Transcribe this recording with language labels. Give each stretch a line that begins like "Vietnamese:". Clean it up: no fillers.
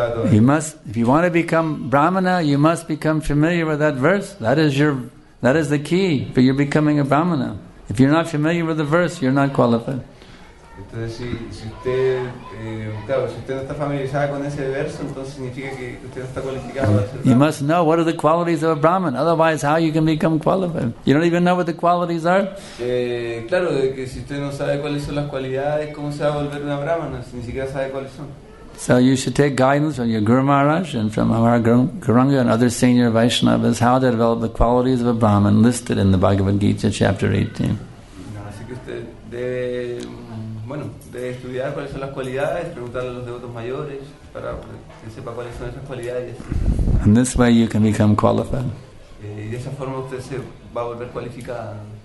English: You must, if you want to become Brahmana, you must become familiar with that verse. That is the key for your becoming a Brahmana. If you're not familiar with the verse, you're not qualified.
Spanish: Entonces, si usted no está familiarizada con ese verso, entonces significa que usted no está cualificado. ¿Verdad?
English: You must know what are the qualities of a Brahman. Otherwise, how you can become qualified? You don't even know what the qualities are.
Spanish: Claro, de que si usted no sabe cuáles son las cualidades, cómo se va a volver una Brahmana, si ni siquiera sabe cuáles son.
English: So you should take guidance from your Guru Maharaj and from our Gauranga and other senior Vaishnavas how to develop the qualities of a Brahman listed in the Bhagavad Gita chapter 18.
Spanish: No, así que usted debe estudiar cuáles son las cualidades, preguntarle a los devotos mayores para que sepa cuáles son esas cualidades.
English: And this way you can become qualified.
Spanish: Y de esa forma usted se va a volver cualificada.